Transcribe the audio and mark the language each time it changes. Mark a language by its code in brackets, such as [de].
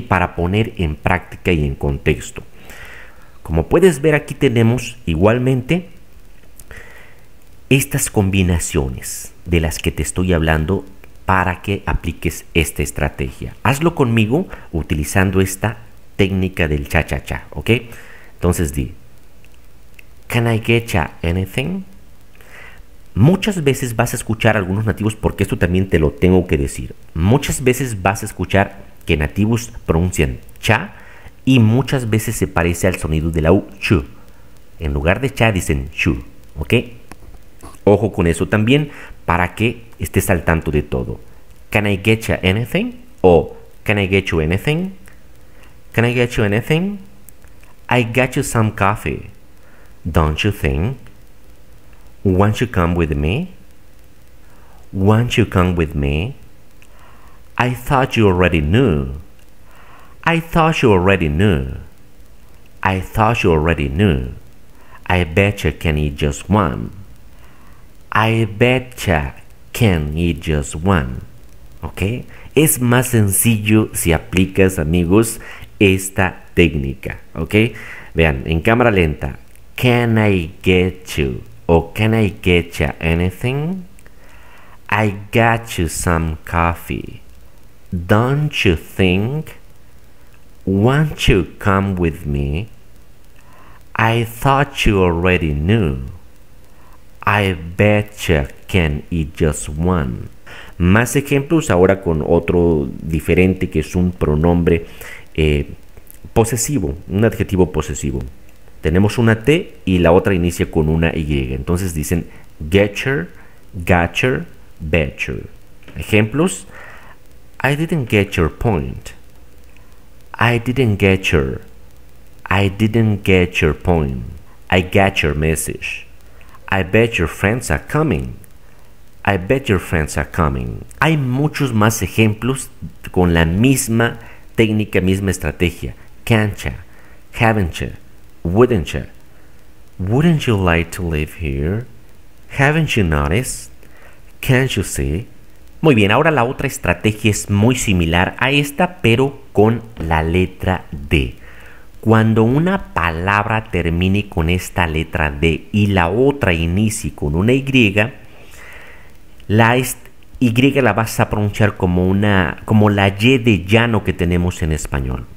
[es] Para poner en práctica y en contexto. Como puedes ver, aquí tenemos igualmente estas combinaciones de las que te estoy hablando para que apliques esta estrategia. Hazlo conmigo utilizando esta técnica del cha-cha-cha, ¿ok? Entonces di, [en] can I get you anything? [es] Muchas veces vas a escuchar a algunos nativos, porque esto también te lo tengo que decir. Muchas veces vas a escuchar que nativos pronuncian cha y muchas veces se parece al sonido de la U, chu. En lugar de cha dicen chu, ¿ok? Ojo con eso también para que estés al tanto de todo. [en] Can I get you anything? O can I get you anything? Can I get you anything? I got you some coffee. Don't you think? Won't you come with me? Won't you come with me? I thought you already knew. I thought you already knew. I thought you already knew. I bet you can eat just one. I bet you can eat just one. [es] ¿Ok? Es más sencillo si aplicas, amigos, esta técnica. ¿Ok? Vean, en cámara lenta. [en] Can I get you? O can I get you anything? I got you some coffee. Don't you think? Won't you come with me? I thought you already knew. I bet you can eat just one. [es] Más ejemplos ahora con otro diferente que es un pronombre posesivo, un adjetivo posesivo. Tenemos una T y la otra inicia con una Y. Entonces dicen getcher, gacher, betcher. Ejemplos. [en] I didn't get your point. I didn't get your. I didn't get your point. I got your message. I bet your friends are coming. I bet your friends are coming. [es] Hay muchos más ejemplos con la misma técnica, misma estrategia. [en] Can't ya? Haven't ya? Wouldn't ya? Wouldn't you like to live here? Haven't you noticed? Can't you see? [es] Muy bien, ahora la otra estrategia es muy similar a esta, pero con la letra D. Cuando una palabra termine con esta letra D y la otra inicie con una Y, la Y la vas a pronunciar como la Y de llano que tenemos en español.